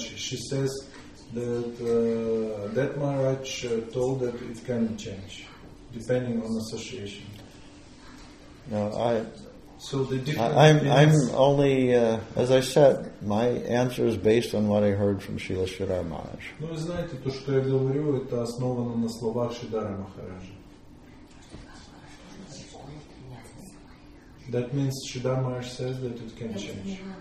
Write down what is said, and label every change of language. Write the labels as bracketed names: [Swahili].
[English] She says that that Maharaj told that it can change depending on association. No, I. So the I'm only as I said, my answer is based on what I heard from Srila Sridhara Maharaj. [Russian] Ну вы знаете, то что я говорю, это основано на словах Шридхары Махараджа. [English] That means Shridhar Maharaj says that it can change.